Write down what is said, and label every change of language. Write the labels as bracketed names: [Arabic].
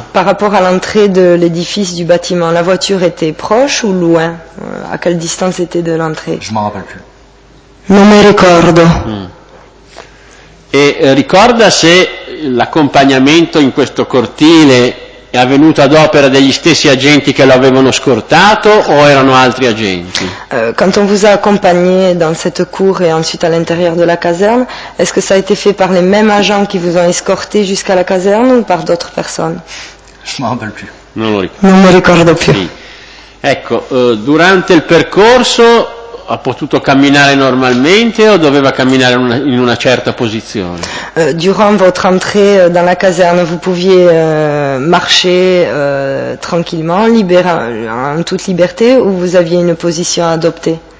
[French] Par rapport à l'entrée de l'édifice du bâtiment, la voiture était proche ou loin? A quelle distance était de l'entrée? Je m'en rappelle plus. [Italian] Non mi ricordo. Mm. E ricorda se l'accompagnamento in questo cortile è avvenuto ad opera degli stessi agenti che lo avevano scortato o erano altri agenti? [French] Quand on vous a accompagné dans cette cour et ensuite à l'intérieur de la caserne, est-ce que ça a été fait par les mêmes agents qui vous ont escorté jusqu'à la caserne ou par d'autres personnes? Je m'en rappelle plus. [Italian] Non lo ricordo. Non mi ricordo più. Sì. Ecco, durante il percorso ha potuto camminare normalmente o doveva camminare in una certa posizione? [French] Durant votre entrée dans la caserne, vous pouviez marcher tranquillement, en toute liberté, ou vous aviez une position à adopter?